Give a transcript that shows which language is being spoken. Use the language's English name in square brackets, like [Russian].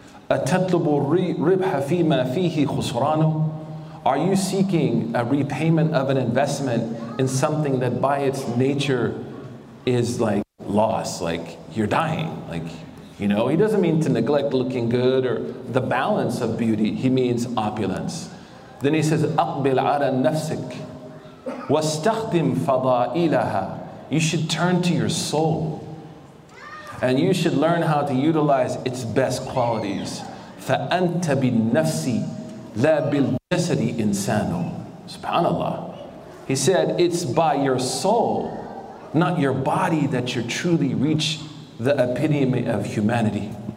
[Arabic] أَتَطْلُبُ الرِّبْحَ فِي مَا فِيهِ خُسْرَانُ. [English] Are you seeking a repayment of an investment in something that by its nature is like loss, like you're dying? Like, you know, he doesn't mean to neglect looking good or the balance of beauty. He means opulence. Then he says, [Arabic] أَقْبِلْ عَلَى نَفْسِكَ وَاسْتَخْدِمْ فَضَائِلَهَا. [English] You should turn to your soul. And you should learn how to utilize its best qualities. [Arabic] فَأَنْتَ بِالنَّفْسِ لَا بِالْجَسَدِ إِنسَانُ. SubhanAllah. [English] He said, it's by your soul, not your body, that you truly reach the epitome of humanity.